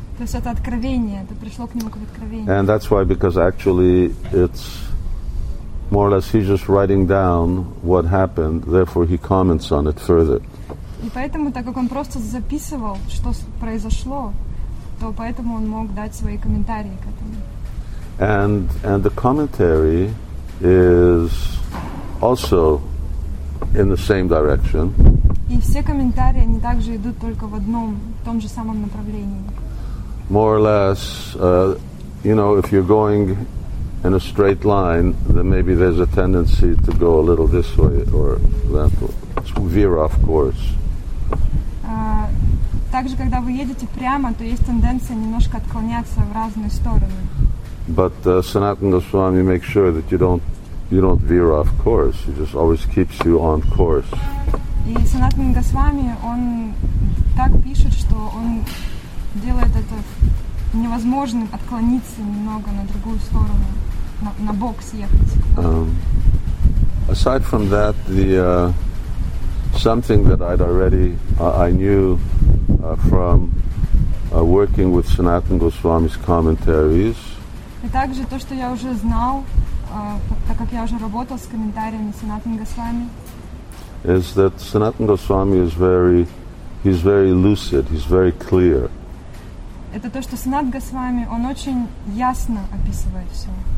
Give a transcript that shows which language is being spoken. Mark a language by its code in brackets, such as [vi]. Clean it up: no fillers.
[ru] То есть это откровение, это пришло к нему как откровение. [en] And that's why, because actually it's more or less he's just writing down what happened, therefore he comments on it further. [ru] И поэтому, так как он просто записывал, что произошло, то поэтому он мог дать свои комментарии к этому. [en] And the commentary is also in the same direction. [ru] И все комментарии, они также идут только в одном, в том же самом направлении. [en] More or less, you know, if you're going in a straight line, then maybe there's a tendency to go a little this way or that way. It's veer off course. [ru] Также, когда вы едете прямо, то есть тенденция немножко отклоняться в разные стороны. [en] But Sanatana Goswami makes sure that you don't veer off course. He just always keeps you on course. [ru] И Санатана Госвами, он так пишет, что он делает это невозможным отклониться немного на другую сторону, на бок съехать. [en] Aside from that, something that I'd already I knew from working with Sanatana Goswami's commentaries. [ru] И также то, что я уже знал, так как я уже работал с комментариями Санатана Госвами. [en] Is that Sanatana Goswami is very, he's very lucid, he's very clear. [ru] Это то, что Санат Госвами, он очень ясно описывает все.